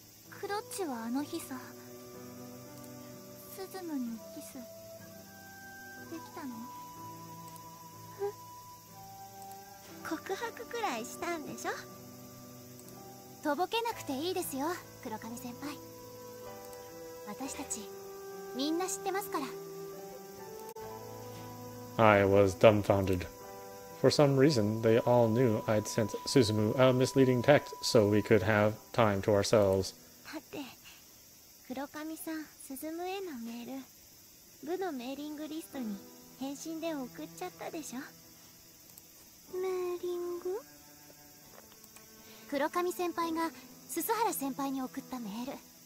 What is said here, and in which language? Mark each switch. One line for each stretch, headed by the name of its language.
Japanese: クロッチはあの日さ、 スズムにキスできたの？うん、告白くらいしたんでしょ？とぼけなくていいですよ、黒髪先輩。私たちみんな知ってますから。
English: I was dumbfounded. For some reason, they all knew I'd sent Suzumu a misleading text so we could have time to ourselves.
Japanese: だって、黒髪さん、スズムへのメール、部のメーリングリストに返信で送っちゃったでしょ。メーリング？黒髪先輩が鈴原先輩に送ったメール。